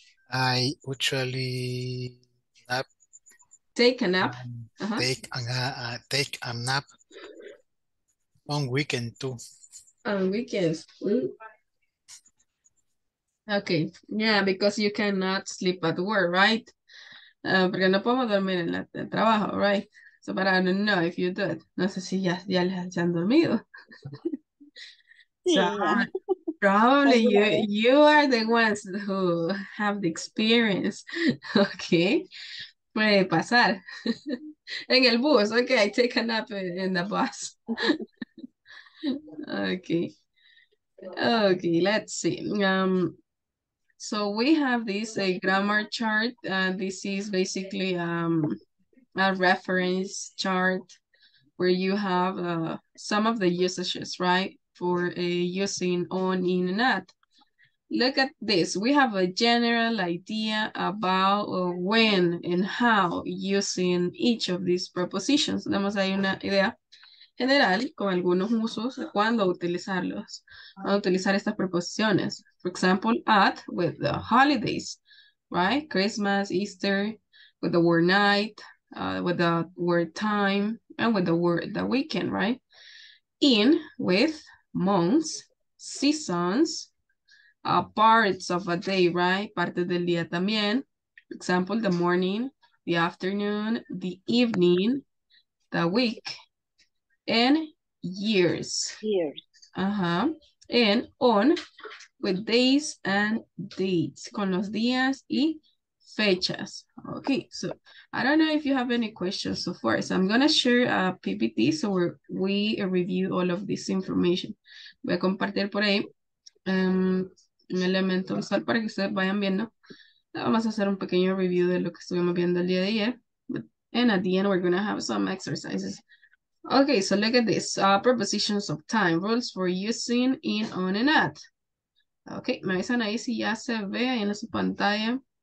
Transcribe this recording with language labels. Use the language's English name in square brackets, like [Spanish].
[English] I usually nap. Take a nap. Take a nap on weekend too. On weekends. Okay. Yeah, because you cannot sleep at work, right? [Spanish] Porque no podemos dormir en el trabajo, [English] right? So, but I don't know if you do it. [Spanish] No sé si ya les han dormido. [English] So, probably you are the ones who have the experience. Okay. [Spanish] Puede pasar. En el bus. [English] Okay, I take a nap in the bus. Okay, let's see. So we have this a grammar chart, and this is basically a reference chart where you have some of the usages, right? For using on, in, and at. Look at this. We have a general idea about when and how using each of these prepositions. [Spanish] Tenemos ahí una idea general con algunos usos, cuándo utilizarlos, cuándo utilizar estas preposiciones. [English] For example, at with the holidays, right? Christmas, Easter, with the word night, with the word time, and with the word the weekend, right? In with months, seasons, parts of a day, right? [Spanish] Parte del día también. [English] Example, the morning, the afternoon, the evening, the week, and years. And on, with days and dates, [Spanish] con los días y fechas. [English] Okay, so I don't know if you have any questions so far. So I'm gonna share a PPT so we review all of this information. [Spanish] Voy a compartir por ahí un elemento visual para que ustedes vayan viendo. Vamos a hacer un pequeño review de lo que estuvimos viendo el día de ayer. [English] And at the end, we're gonna have some exercises. Okay, so look at this. Prepositions of time, rules for using in, on, and at. [Spanish] Okay, me avisan ahí si ya se ve ahí en su pantalla.